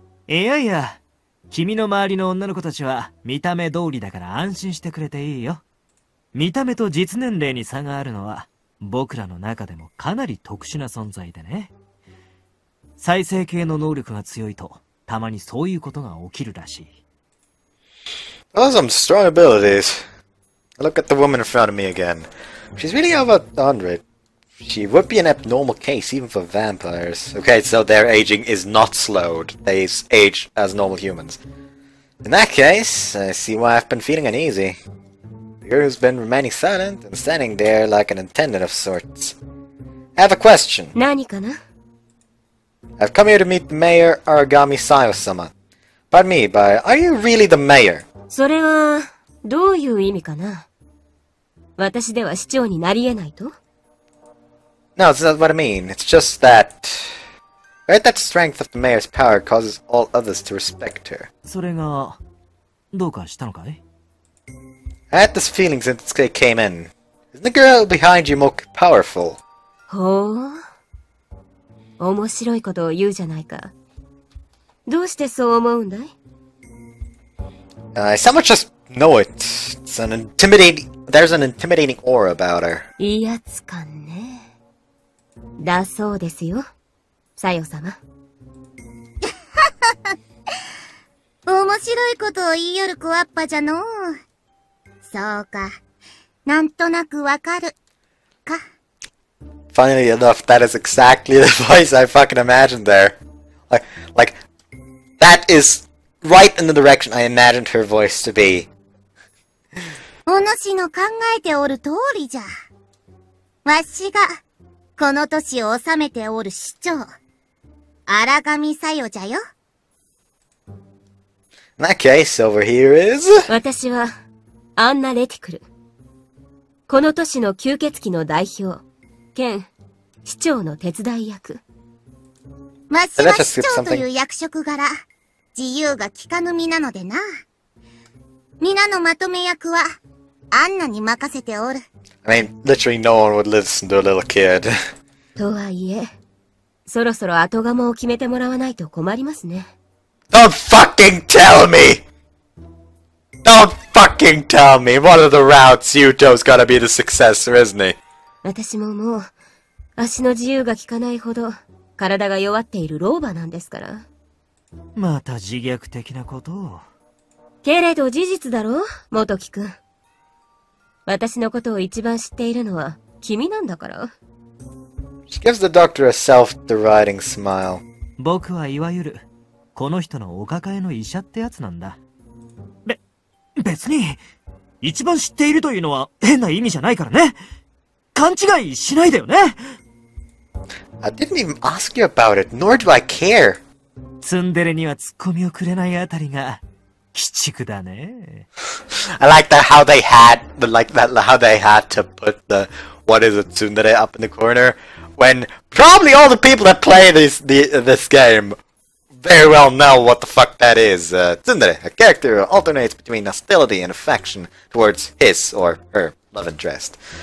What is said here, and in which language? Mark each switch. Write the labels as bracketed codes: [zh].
[ja] いやいや、君の周りの女の子たちは見た目通りだから安心してくれていいよ。見た目と実年齢に差があるのは僕らの中でもかなり特殊な存在でね。再生系の能力が強いとたまにそういうことが起きるらしい。 [en] That was some strong abilities. I look at the woman in front of me again. She's really over 100. She would be an abnormal case, even for vampires. Okay, so their aging is not slowed. They age as normal humans. In that case, I see why I've been feeling uneasy. The girl's been remaining silent and standing there like an attendant of sorts. I have a question. [ja] 何かな? [en] I've come here to meet the mayor, Aragami Sayo-sama. Pardon me, but are you really the mayor? [ja] それは…どういう意味かな?私では市長になり得ないと? [en] No, that's not what I mean. It's just that... Right, that strength of the mayor's power causes all others to respect her. [ja] それが、どうかしたのかい? [en] I had this feeling since it came in. Isn't the girl behind you more powerful? [ja] ほう。面白いことを言うじゃないか。どうしてそう思うんだい? [en] Someone just... Know it. It's an intimidating... There's an intimidating aura about her. [ja] 威圧感ね。だそうですよ、サヨ様。面白いことを言いよるコアッパじゃのう。そうか。なんとなくわかる。か。 [en] Funnily enough, that is exactly the voice I fucking imagined there. Like, that is right in the direction I imagined her voice to be. [ja] お主の考えておる通りじゃ。わしが、この都市を治めておる市長、荒神さよじゃよ。 [en] In that case, over here is... [ja] 私は、アンナ・レティクル。この都市の吸血鬼の代表、兼、市長の手伝い役。わしは市長という役職柄、自由が利かぬ身なのでな。皆のまとめ役は、アンナに任せておる。 [en] I mean, literally no one would listen to a little kid. [ja] とはいえ、そろそろ後釜を決めてもらわないと困りますね。 [en] Don't fucking tell me! Don't fucking tell me! One of the routes, Yuto's gotta be the successor, isn't he? [ja] 私ももう、足の自由が効かないほど、体が弱っている老婆なんですから。また自虐的なことを。けれど事実だろ、元木くん。私のことを一番知っているのは、君なんだから。 [en] She gives the doctor a self-deriding smile. [ja] 僕はいわゆる、この人のお抱えの医者ってやつなんだ。別に、一番知っているというのは変な意味じゃないからね。勘違いしないでよね。 [en] I didn't even ask you about it, nor do I care. [ja] ツンデレにはツッコミをくれないあたりが、鬼畜だね。 [en] I like that how they had, like that how they had to put the, what is it, ツンデレ up in the corner, when probably all the people that play this game,very well know what the fuck that is. Tsundere, a character who alternates between hostility and affection towards his or her love interest.